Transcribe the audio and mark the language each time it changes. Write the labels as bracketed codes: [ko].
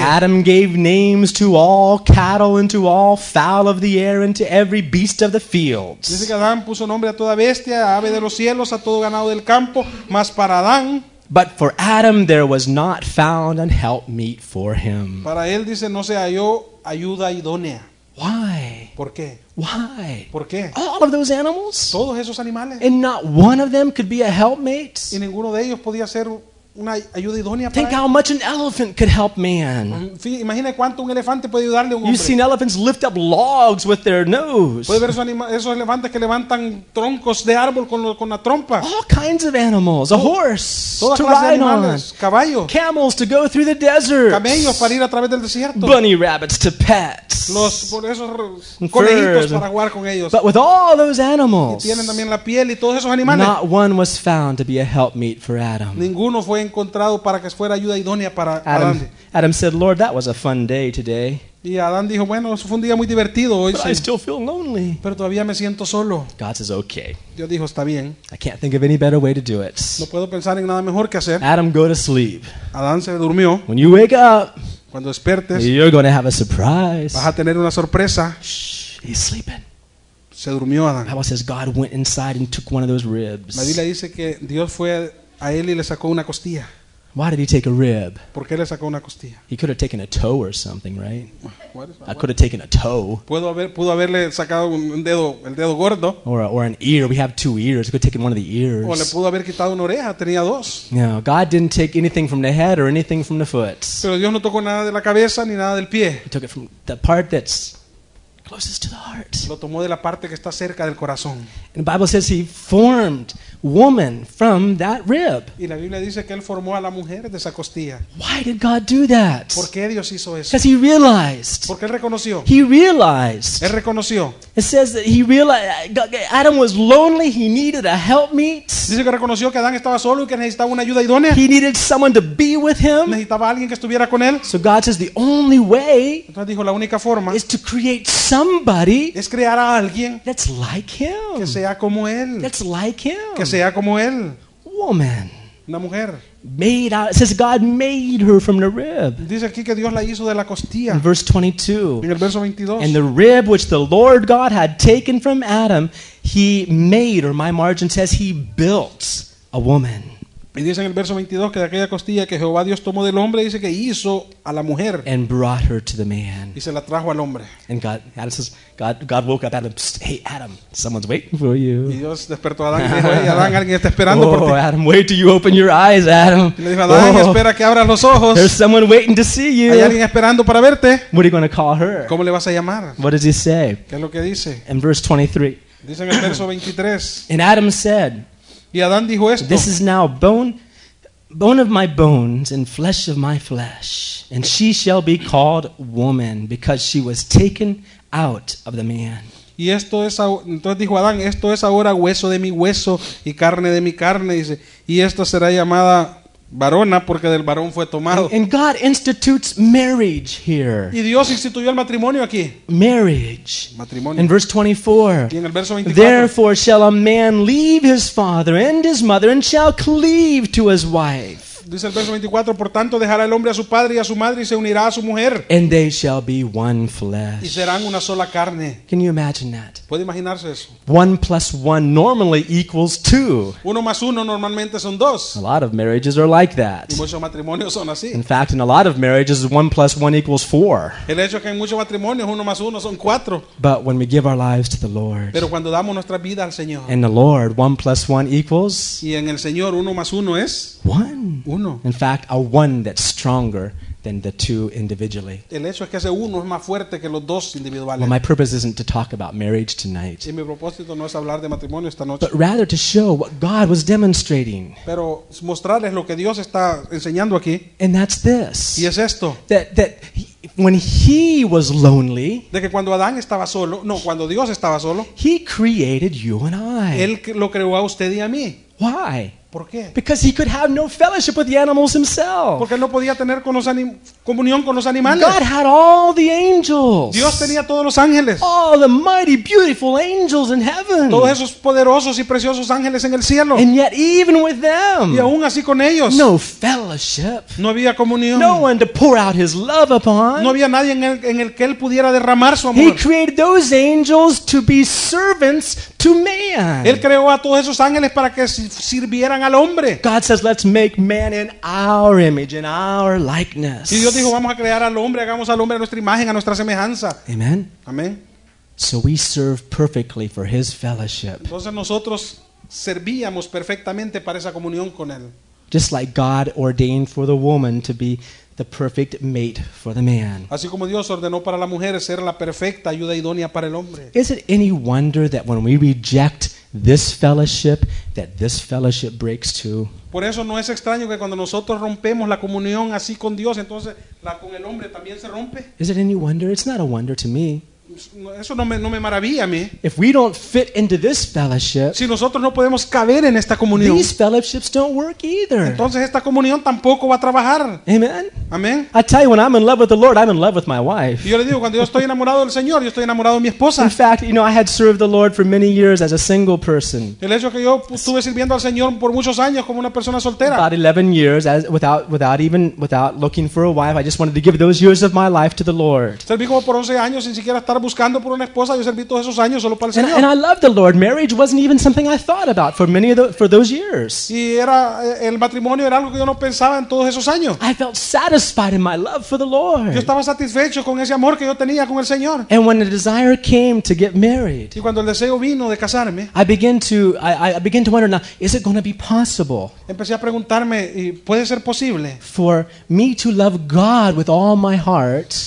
[en] Adam gave names to all cattle and to all fowl of the air and to every beast of the fields. [es] Dice que Adán puso nombre a toda bestia, a ave de los cielos, a todo ganado del campo, mas para Adán. [en] But for Adam there was not found an helpmeet for him. [es] Para él dice no se halló ayuda idónea. [en] Why? [es] ¿Por qué? [en] Why? [es] ¿Por qué? [en] All of those animals? [es] Todos esos animales. [en] And not one of them could be a helpmate? [es] Y ninguno de ellos podía ser una ayuda idónea para [en] Think [es] él. [en] How much an elephant could help man. [es] Imagina cuánto un elefante puede ayudarle a un hombre. [en] You've seen elephants lift up logs with their nose. [es] Puede ver esos elefantes que levantan troncos de árbol con la trompa. [en] All kinds of animals. A horse to ride [es] animales, [en] on. [es] Caballo. [en] Camels to go through the desert. [es] Camellos para ir a través del desierto. [en] Bunny rabbits to pet. [es] Los por esos conejitos furs. Para jugar con ellos. [en] But with all those animals. [es] Y tienen también la piel y todos esos animales. [en] Not one was found to be a helpmeet for Adam. [es] Ninguno fue encontrado para que fuera ayuda idónea para Adán. [en] Adam said, Lord, that was a fun day today. [es] Y Adán dijo, bueno, eso fue un día muy divertido hoy. [en] But [es] sí. [en] I still feel lonely. [es] Pero todavía me siento solo. [en] God says, okay. [es] Dios dijo, está bien. [en] I can't think of any better way to do it. [es] No puedo pensar en nada mejor que hacer. [en] Adam, go to sleep. [es] Adán se durmió. [en] When you wake up, [es] cuando despiertes, [en] you're going to have a surprise. [es] Vas a tener una sorpresa. [en] Shh, he's sleeping. [es] Se durmió Adán. [en] The Bible says God went inside and took one of those ribs. [es] La Biblia dice que Dios fue a él y le sacó una costilla. [en] Why did he take a rib? [es] ¿Por qué le sacó una costilla? [en] He could have taken a toe or something, right? I could have taken a toe. [es] Pudo haberle sacado un dedo, el dedo gordo. [en] Or an ear. We have two ears. He could have taken one of the ears. [es] O le pudo haber quitado una oreja. Tenía dos. [en] No, God didn't take anything from the head or anything from the foot. [es] Pero Dios no tocó nada de la cabeza ni nada del pie. [en] He took it from the part that's closest to the heart. [es] Lo tomó de la parte que está cerca del corazón. [en] And the Bible says he formed woman from that rib. [es] Y la Biblia dice que él formó a la mujer de esa costilla. [en] Why did God do that? [es] ¿Por qué Dios hizo eso? [en] Because he realized. [es] Porque él reconoció. [en] He realized. [es] Él reconoció. [en] It says that he realized Adam was lonely. He needed a helpmeet. [es] Dice que reconoció que Adán estaba solo y que necesitaba una ayuda idónea. [en] He needed someone to be with him. [es] Necesitaba alguien que estuviera con él. [en] So God says the only way. [es] Entonces dijo la única forma. [en] Is to create somebody. [es] Es crear a alguien. [en] That's like him. [es] Que sea como él. [en] That's like him. [es] Que sea como él. [en] Woman. [es] Una mujer. [en] Made out, it says God made her from the rib. [es] Dice aquí que Dios la hizo de la costilla. [en] In verse 22. [es] En el verso 22. [en] And the rib which the Lord God had taken from Adam, he made, or my margin says, he built a woman. [es] Y dice en el verso 22 que de aquella costilla que Jehová Dios tomó del hombre, dice que hizo a la mujer. [en] And brought her to the man. [es] Y se la trajo al hombre. [en] And God, Adam says, God woke up Adam, hey Adam, someone's waiting for you. [es] Y Dios despertó a Adam y dijo, hey Adam, alguien está esperando oh, por ti. [en] Oh Adam, wait till you open your eyes, Adam. [es] Y le dijo, Adam, oh, espera que abras los ojos. [en] There's someone waiting to see you. [es] Hay alguien esperando para verte. [en] What are you going to call her? [es] ¿Cómo le vas a llamar? [en] What does he say? [es] ¿Qué es lo que dice? [en] In verse 23. [es] Dice en el verso 23. [en] And Adam said, [es] y Adán dijo esto. [en] This is now bone of my bones and flesh of my flesh, and she shall be called woman because she was taken out of the man. [es] Y esto es entonces dijo Adán, esto es ahora hueso de mi hueso y carne de mi carne, dice, y esta será llamada varona porque del varón fue tomado. [en] And God institutes marriage here. [es] Y Dios instituyó el matrimonio aquí. [en] Marriage. [es] Matrimonio. [en] In verse 24. [es] Y en el verso 24. [en] Therefore shall a man leave his father and his mother and shall cleave to his wife. [es] Dice el verso 24, por tanto dejará el hombre a su padre y a su madre y se unirá a su mujer. [en] And they shall be one flesh. [es] Y serán una sola carne. [en] Can you imagine that? [es] ¿Puede imaginarse eso? [en] 1 + 1 normally equals 2. [es] 1 + 1 normalmente son 2. [en] A lot of marriages are like that. [es] Y muchos matrimonios son así. [en] In fact, in a lot of marriages, 1 + 1 = 4. [es] El hecho es que en muchos matrimonios 1 + 1 = 4. [en] But when we give our lives to the Lord. [es] Pero cuando damos nuestra vida al Señor. [en] And the Lord, 1 + 1 = [es] Y en el Señor 1 + 1 = 1. [en] In fact, a one that's stronger than the two individually. [es] El hecho es que ese uno es más fuerte que los dos individuales. [en] Well, my purpose isn't to talk about marriage tonight. [es] Y mi propósito no es hablar de matrimonio esta noche. [en] But rather to show what God was demonstrating. [es] Pero mostrarles lo que Dios está enseñando aquí. [en] And that's this. [es] Y es esto. [en] That when he was lonely, [es] de que cuando Adán estaba solo, no, cuando Dios estaba solo, [en] he created you and I. [es] Él lo creó a usted y a mí. [en] Why? [es] ¿Por qué? [en] Because he could have no fellowship with the animals himself. [es] Porque él no podía tener comunión con los animales. [en] God had all the angels. [es] Dios tenía todos los ángeles. [en] All the mighty, beautiful angels in heaven. [es] Todos esos poderosos y preciosos ángeles en el cielo. [en] And yet, even with them, [es] y aún así con ellos, [en] no fellowship. [es] No había comunión. [en] No one to pour out his love upon. [es] No había nadie en el que él pudiera derramar su amor. [en] He created those angels to be servants to man. [es] Él creó a todos esos ángeles para que sirvieran. [en] God says, "Let's make man in our image, in our likeness." [es] Y Dios dijo, "Vamos a crear al hombre, hagamos al hombre a nuestra imagen, a nuestra semejanza." [en] Amen. [es] Amen. [en] So we serve perfectly for His fellowship. [es] Entonces nosotros servíamos perfectamente para esa comunión con él. [en] Just like God ordained for the woman to be the perfect mate for the man. [es] Así como Dios ordenó para la mujer ser la perfecta ayuda idónea para el hombre. [en] Is it any wonder that when we reject this fellowship, that this fellowship breaks too. [es] Por eso no es extraño que cuando nosotros rompemos la comunión así con Dios, entonces la con el hombre también se rompe. [en] Is it any wonder? It's not a wonder to me. [es] Eso no me maravilla a mí. [en] If we don't fit into this fellowship, [es] si nosotros no podemos caber en esta comunión, [en] these fellowships don't work either. [es] Entonces esta comunión tampoco va a trabajar. [en] Amen. [es] Amen. [en] I tell you, when I'm in love with the Lord, I'm in love with my wife. [es] Yo le digo, cuando yo estoy enamorado del Señor, yo estoy enamorado de mi esposa. [en] In fact, you know, I had served the Lord for many years as a single person. [es] El hecho que yo estuve sirviendo al Señor por muchos años como una persona soltera. [en] About 11 years as without looking for a wife, I just wanted to give those years of my life to the Lord. [es] Serví como por 11 años sin siquiera estar buscando por una esposa, yo serví todos esos años solo para el Señor. [en] And I loved the Lord. Marriage wasn't even something I thought about for many of those years. [es] Y era el matrimonio era algo que yo no pensaba en todos esos años. [en] I felt satisfied in my love for the Lord. [es] Yo estaba satisfecho con ese amor que yo tenía con el Señor. [en] And when the desire came to get married, [es] y cuando el deseo vino de casarme, [en] I began to wonder, now, is it going to be possible? [es] Empecé a preguntarme, ¿puede ser posible? [en] For me to love God with all my heart.